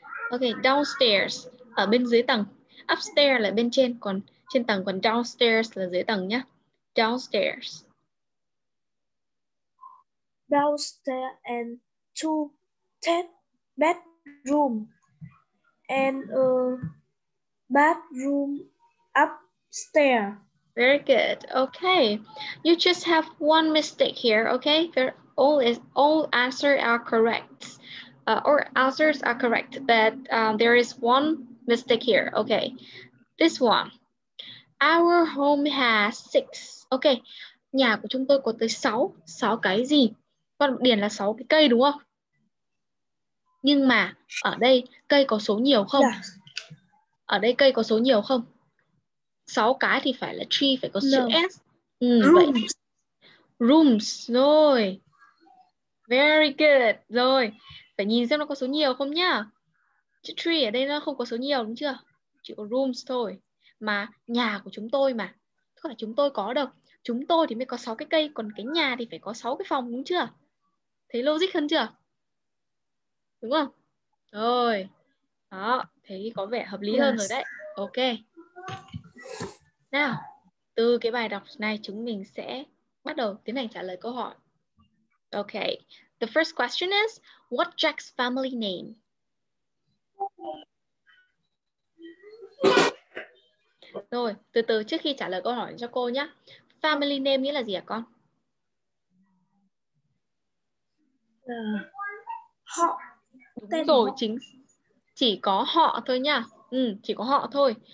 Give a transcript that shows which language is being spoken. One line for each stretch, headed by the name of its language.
Vietnamese: Ok, downstairs, ở bên dưới tầng. Upstairs là bên trên, còn trên tầng, còn downstairs là dưới tầng nhá.
English: Downstairs. Downstairs and two bedroom and a bathroom upstairs. Very good. Ok, you just have one mistake here, ok? All answers are correct. Or answers are correct, but there is one mistake here. Okay, this one. Our home has six.
Vietnamese: Okay, nhà của chúng tôi có tới 6. 6 cái gì? Con điền là 6 cái cây đúng không? Nhưng mà ở đây cây có số nhiều không? Ở đây cây có số nhiều không? 6 cái thì phải là tree, phải có chữ
English: No.
Vietnamese: S. Ừ, vậy.
English: Rooms. Rooms, rồi. Very good, rồi.
Vietnamese: Phải nhìn xem nó có số nhiều không nhá. Chữ tree ở đây nó không có số nhiều đúng chưa? Chỉ có rooms thôi. Mà nhà của chúng tôi mà. Không phải chúng tôi có đâu. Chúng tôi thì mới có 6 cái cây. Còn cái nhà thì phải có 6 cái phòng đúng chưa? Thấy logic hơn chưa? Đúng không? Rồi. Đó. Thấy có vẻ hợp lý hơn rồi đấy. Ok. Nào. Từ cái bài đọc này chúng mình sẽ bắt đầu tiến hành trả lời câu hỏi. Ok.
English: The first question is, what's Jack's family name?
Vietnamese: Rồi, từ từ trước khi trả lời câu hỏi cho cô nhé. Family name nghĩa là gì hả con? Họ. Đúng rồi, chính chỉ có họ thôi nha. Ừ, chỉ có họ thôi.